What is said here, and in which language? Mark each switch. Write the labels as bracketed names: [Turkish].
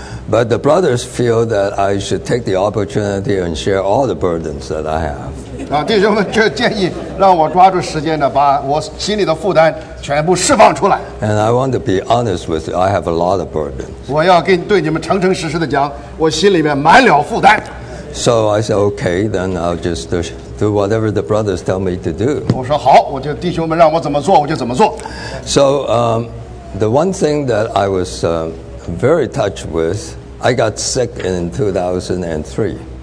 [English] But the brothers feel that I should take the opportunity and share all the burdens that I have. [Chinese] 弟兄们就建议让我抓住时间呢，把我心里的负担全部释放出来。 [English] And I want to be honest with you. I have a lot of burdens. [Chinese] 我要跟对你们诚诚实实的讲，我心里面满了负担。 [English] So I said, okay, then I'll just do whatever the brothers tell me to do. [Chinese] 我说好，我就弟兄们让我怎么做我就怎么做。 [English] So the one thing that I was very touched with, I got sick in 2004.